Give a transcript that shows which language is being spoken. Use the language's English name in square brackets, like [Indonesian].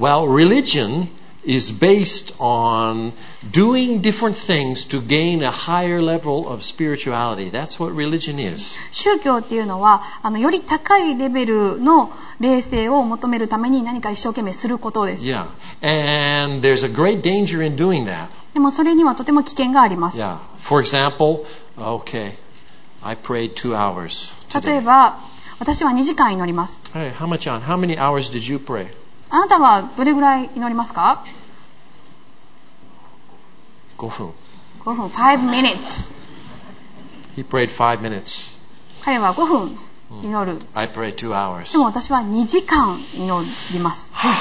[English] Well, religion is based on doing different things to gain a higher level of spirituality. That's what religion is. [Japanese] 宗教っていうのはより高いレベルの霊性を求めるために何か一生懸命することです。 [English] Yeah. And there's a great danger in doing that. [Japanese] でもそれにはとても危険があります。 [English] Yeah. For example, okay, I prayed 2 hours today. [Japanese] 例えば、私は2時間祈ります。 [English] Hey, Hama-chan, how many hours did you pray? [Japanese] あなたはどれぐらい祈りますか ?5分。 5分、 [English] 5 minutes. He prayed 5 minutes. [Japanese] 彼は5分祈る。 [English] I prayed 2 hours. [Japanese] でも私は2時間祈ります。